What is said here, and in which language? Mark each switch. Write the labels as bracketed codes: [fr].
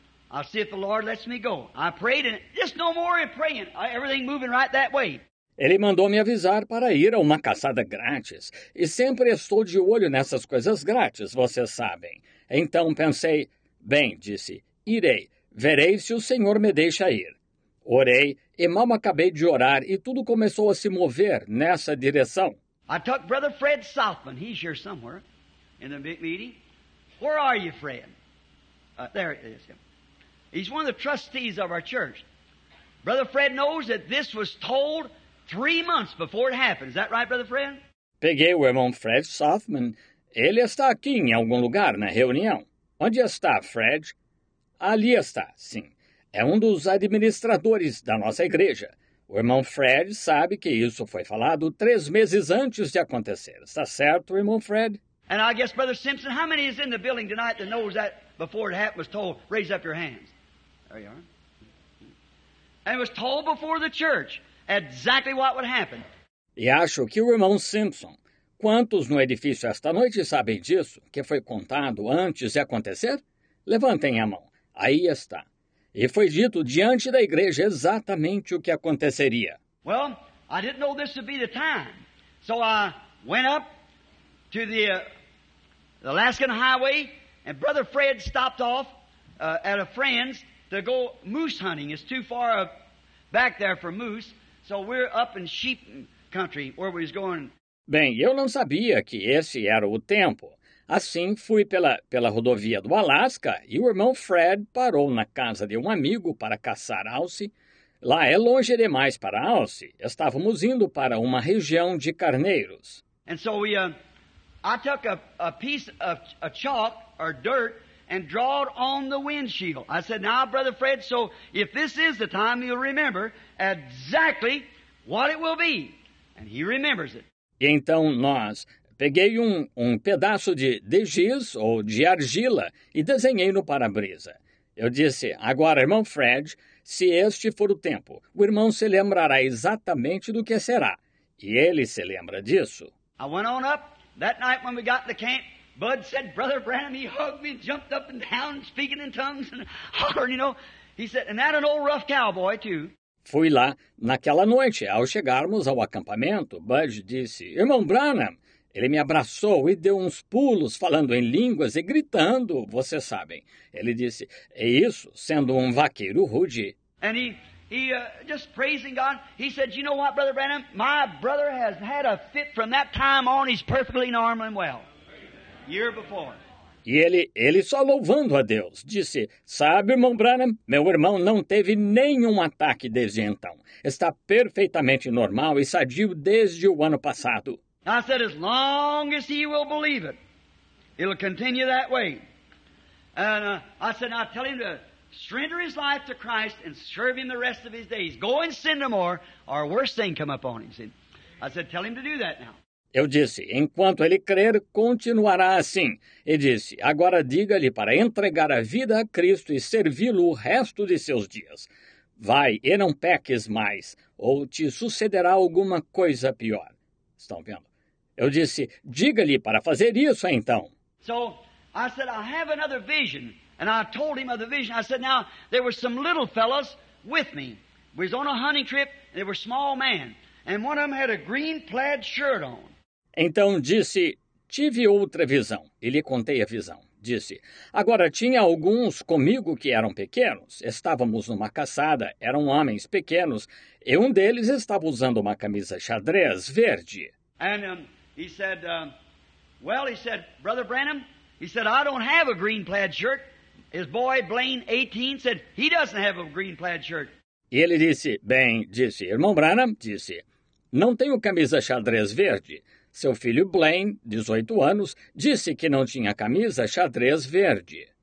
[en] I'll see if the Lord lets me go. I prayed, and just no more in praying. Everything moving right that way. [pt] Ele mandou me avisar para ir a uma caçada grátis. E sempre estou de olho nessas coisas grátis, vocês sabem. Então pensei, bem, disse, irei. Verei se o Senhor me deixa ir. Orei, e mal acabei de orar, e tudo começou a se mover nessa direção. [en] I took Brother Fred Southman. He's here somewhere in the meeting. Where are you, Fred? There it is. He's one of the trustees of our church. Brother Fred knows that this was told 3 months before it happened. Is that right, Brother Fred? [pt] Peguei o irmão Fred Southman. Ele está aqui em algum lugar na reunião. Onde está, Fred? Ali está, sim. É um dos administradores da nossa igreja. O irmão Fred sabe que isso foi falado 3 meses antes de acontecer. Está certo, irmão Fred? [en] And I guess, Brother Simpson, how many is in the building tonight that knows that before it happened was told? Raise up your hands. There you are. And it was told before the church exactly what would happen. [pt] E acho que o irmão Simpson, quantos no edifício esta noite sabem disso, que foi contado antes de acontecer? Levantem a mão. Aí está. E foi dito diante da igreja exatamente o que aconteceria. [en] Well, I didn't know this would be the time. So I went up to the Alaskan Highway, and Brother Fred stopped off at a friend's to go moose hunting. It's too far back there for moose. So we're up in sheep country where we was going. [pt] Bem, eu não sabia que esse era o tempo. Assim, fui pela rodovia do Alasca e o irmão Fred parou na casa de um amigo para caçar alce. Lá é longe demais para alce. Estávamos indo para uma região de carneiros. [en] And so I took a piece of chalk or dirt and draw it on the windshield. I said, now, Brother Fred, so if this is the time, you'll remember exactly what it will be. And he remembers it. [pt] E então nós, peguei um pedaço de giz ou de argila e desenhei no para-brisa. Eu disse, agora, irmão Fred, se este for o tempo, o irmão se lembrará exatamente do que será. E ele se lembra disso. [en] I went on up that night when we got to the camp. Bud said, Brother Branham, he hugged me and jumped up and down, speaking in tongues and hollering, you know. He said, and that an old rough cowboy, too. [pt] Fui lá naquela noite. Ao chegarmos ao acampamento, Bud disse, irmão Branham, ele me abraçou e deu uns pulos, falando em línguas e gritando, vocês sabem. Ele disse, é isso, sendo um vaqueiro rude. [en] And he just praising God, he said, you know what, Brother Branham, my brother has had a fit from that time on, he's perfectly normal and well. Year before. [pt] E ele só louvando a Deus, disse, sabe, irmão Branham, meu irmão não teve nenhum ataque desde então. Está perfeitamente normal e sadio desde o ano passado. [en] I said, as long as he will believe it, it'll continue that way. And I said, now tell him to surrender his life to Christ and serve him the rest of his days. Go and sin no more, or a worse thing come upon him. I said, tell him to do that now. [pt] Eu disse, enquanto ele crer, continuará assim. E disse, agora diga-lhe para entregar a vida a Cristo e servi-lo o resto de seus dias. Vai e não peques mais, ou te sucederá alguma coisa pior. Estão vendo? Eu disse, diga-lhe para fazer isso então. [en] So, I said, I have another vision. And I told him of the vision. I said, now, there were some little fellows with me. We was on a hunting trip, and they were small men. And one of them had a green plaid shirt on. [pt] Então disse, tive outra visão. E lhe contei a visão. Disse, agora tinha alguns comigo que eram pequenos. Estávamos numa caçada, eram homens pequenos. E um deles estava usando uma camisa xadrez verde. [en] And he said, well, he said, Brother Branham, he said, I don't have a green plaid shirt. His boy, Blaine, 18, said, he doesn't have a green plaid shirt. [pt] E ele disse, bem, disse, irmão Branham, disse, não tenho camisa xadrez verde. Seu filho Blaine, 18 anos, disse que não tinha camisa xadrez verde.